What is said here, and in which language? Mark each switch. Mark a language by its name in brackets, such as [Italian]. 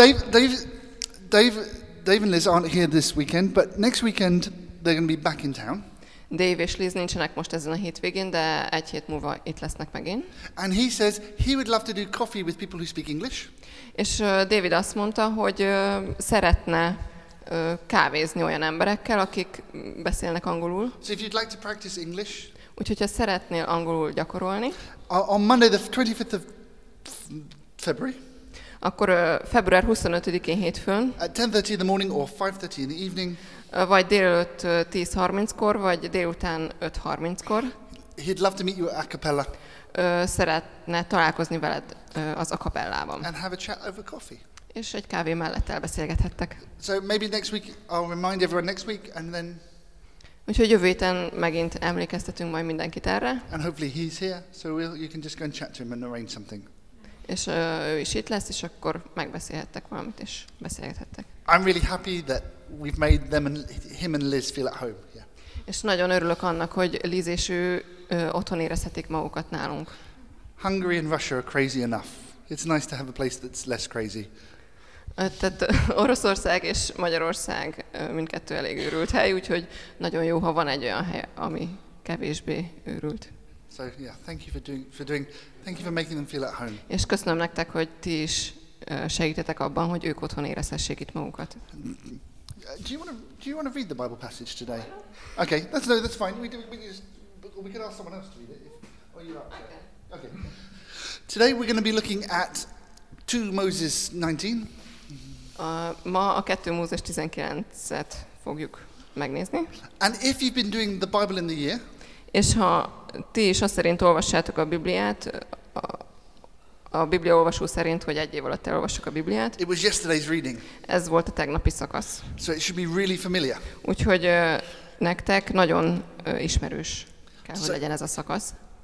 [English] Dave and Liz aren't here this weekend, but next weekend they're going to be back in town. [Hungarian] Dave és Liz nincsenek most ezen a hétvégén, de egy hét múlva itt lesznek megint. [English] And he says he would love to do coffee with people who speak English. [Hungarian] És David azt mondta, hogy szeretne kávézni olyan emberekkel, akik beszélnek angolul. [English] So if you'd like to practice English. [Hungarian] Úgyhogy ha szeretnél angolul gyakorolni. [English] On Monday the 25th of February. [Hungarian] Akkor február 25-én hétfőn. [English] At 10:30 in the morning or 5:30 in the evening. [Hungarian] Vagy délelőtt 10:30-kor, vagy délután 5:30-kor. [English] He'd love to meet you at a cappella. [Hungarian] Szeretne találkozni veled az a cappellában. [English] And have a chat over coffee. [Hungarian] És egy kávé mellett elbeszélgethettek. [English] So maybe next week I'll remind everyone next week and then. [Hungarian] Úgyhogy jövő héten megint emlékeztetünk majd mindenkit erre. [English] And hopefully he's here, so you can just go and chat to him and arrange something. [Hungarian] És ő is itt lesz, és akkor megbeszélhettek valamit, és beszélgethettek. [English] I'm really happy that we've made them and him and Liz feel at home. Yeah. [Hungarian] És nagyon örülök annak, hogy Liz és ő otthon érezhetik magukat nálunk. [English] Hungary and Russia are crazy enough. It's nice to have a place that's less crazy. [Hungarian] Tehát Oroszország és Magyarország mindkettő elég őrült hely, úgyhogy nagyon jó, ha van egy olyan hely, ami kevésbé őrült. [English] So yeah, thank you for doing. Thank you for making them feel at home. [Hungarian] És köszönöm nektek, hogy ti is segítetek abban, hogy ők otthon érezhessék itt magukat. [English] Do you want to read the Bible passage today? Okay, that's fine. We can ask someone else to read it. Or you okay. Today we're going to be looking at 2 Moses 19. [Hungarian] Ma a 2 Mózes 19-et fogjuk megnézni. [English] And if you've been doing the Bible in the year. [Hungarian] És ha ti is azt szerint olvassátok a Bibliát, a Biblia olvasó szerint, hogy egy év alatt elolvassuk a Bibliát. [English] It was yesterday's reading. [Hungarian] Ez volt a tegnapi szakasz. [English] So it should be really familiar. [Hungarian] Úgyhogy nektek nagyon ismerős kell, hogy legyen ez a szakasz.